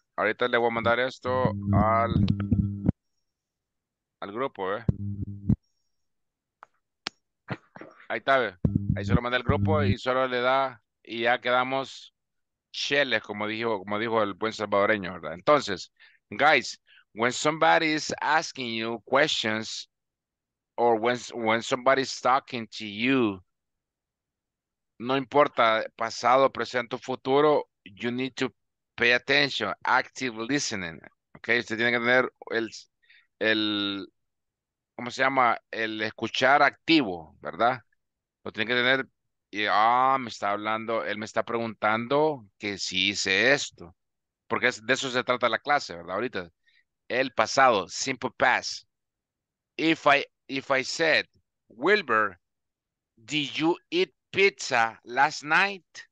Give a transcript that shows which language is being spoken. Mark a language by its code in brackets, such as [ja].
[es] Ahorita le voy a mandar esto al grupo, Ahí está, ahí se lo manda el grupo y solo le da y ya quedamos cheles, como dijo el buen salvadoreño, ¿verdad? [en] Entonces, guys, when somebody is asking you questions or when somebody's talking to you, [es] no importa pasado, presente o futuro, [en] you need to pay attention, active listening. [es] Okay, usted tiene que tener el ¿cómo se llama? El escuchar activo, ¿verdad? Lo tiene que tener y me está hablando, él me está preguntando que si hice esto. Porque de eso se trata la clase, ¿verdad? Ahorita el pasado, [en] simple past. If I said, Wilbur, did you eat pizza last night?